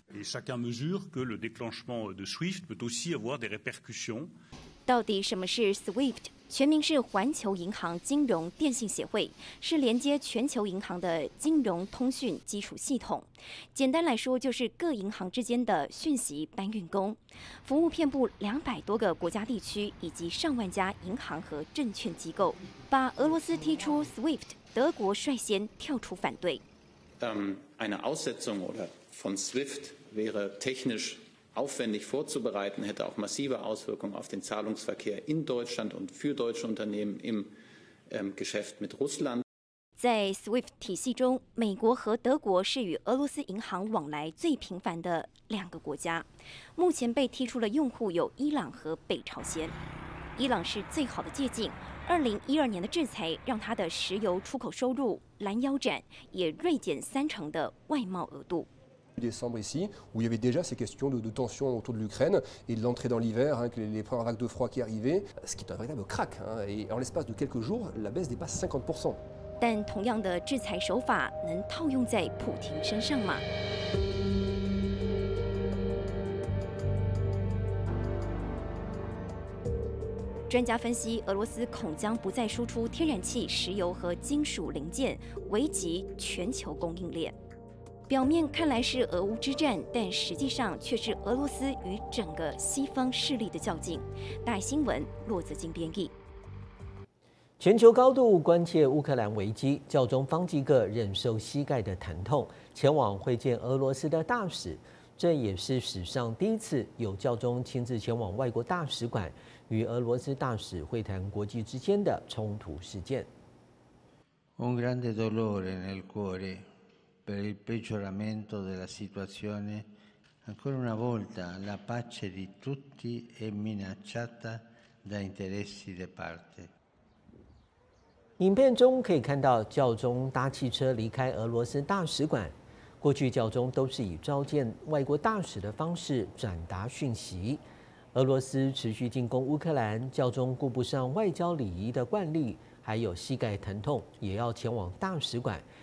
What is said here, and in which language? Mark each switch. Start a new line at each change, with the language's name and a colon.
French: Et chacun mesure que le déclenchement de SWIFT peut aussi avoir des répercussions.
Chinese: 到底什么是 SWIFT？全名是环球银行金融电信协会，是连接全球银行的金融通讯基础系统。简单来说，就是各银行之间的讯息搬运工，服务遍布200多个国家地区以及上万家银行和证券机构。把俄罗斯踢出 SWIFT。德国率先跳出反对。
German: Eine Aussetzung oder von SWIFT wäre technisch aufwendig vorzubereiten, hätte auch massive Auswirkungen auf den Zahlungsverkehr in Deutschland und für deutsche Unternehmen im Geschäft mit Russland.
Chinese: 在 SWIFT 体系中，美国和德国是与俄罗斯银行往来最频繁的两个国家。目前被踢出的用户有伊朗和北朝鲜。伊朗是最好的借镜，2012年的制裁让他的石油出口收入拦腰斩，也锐减三成的外贸额度。
French: Décembre ici, où il y avait déjà ces questions de tension autour de l'Ukraine et de l'entrée dans l'hiver, hein, les premières vagues de froid qui arrivaient, ce qui est un véritable crack. Hein, et en l'espace de quelques jours, la baisse dépasse 50%.
Chinese: 但同样的制裁手法能套用在普廷身上吗？专家分析，俄罗斯恐将不再输出天然气、石油和金属零件，危及全球供应链。表面看来是俄乌之战，但实际上却是俄罗斯与整个西方势力的较劲。大新闻骆子金编译。全球高度关切乌克兰危机，教宗方济各忍受膝盖的疼痛，前往会见俄罗斯的大使，这也是史上第一次有教宗亲自前往外国大使馆与俄罗斯大使会谈国际之间的冲突事件。
Italian: Un grande dolore nel cuore. Per il peggioramento della situazione, ancora una volta la pace di tutti è minacciata da interessi di parte.
Chinese: 影片中可以看到教宗搭汽车离开俄罗斯大使馆。过去教宗都是以召见外国大使的方式转达讯息。俄罗斯持续进攻乌克兰，教宗顾不上外交礼仪的惯例，还有膝盖疼痛，也要前往大使馆。